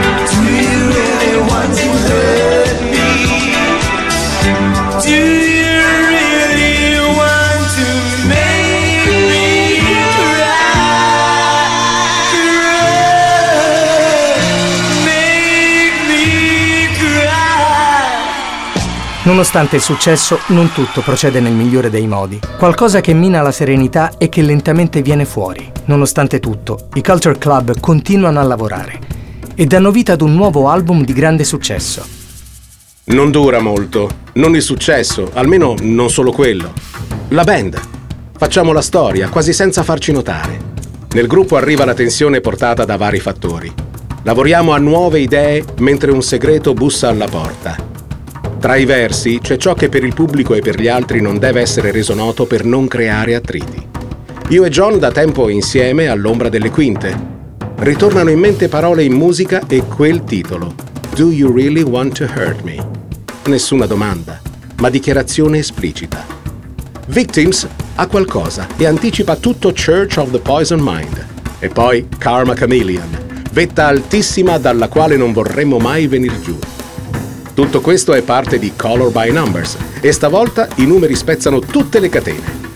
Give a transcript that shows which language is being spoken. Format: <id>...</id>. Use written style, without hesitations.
<en>Do you really want to hurt me? Do you really want to make me cry?</en> <it>Nonostante il successo, non tutto procede nel migliore dei modi. Qualcosa che mina la serenità e che lentamente viene fuori. Nonostante tutto, i Culture Club continuano a lavorare e danno vita ad un nuovo album di grande successo. Non dura molto. Non il successo, almeno non solo quello. La band. Facciamo la storia, quasi senza farci notare. Nel gruppo arriva la tensione portata da vari fattori. Lavoriamo a nuove idee mentre un segreto bussa alla porta. Tra i versi c'è ciò che per il pubblico e per gli altri non deve essere reso noto per non creare attriti. Io e John da tempo insieme all'ombra delle quinte. Ritornano in mente parole in musica e quel titolo.</it> <en>Do you really want to hurt me?</en> <it>Nessuna domanda, ma dichiarazione esplicita. Victims ha qualcosa e anticipa tutto Church of the Poison Mind. E poi Karma Chameleon, vetta altissima dalla quale non vorremmo mai venir giù. Tutto questo è parte di Color by Numbers e stavolta i numeri spezzano tutte le catene.</it>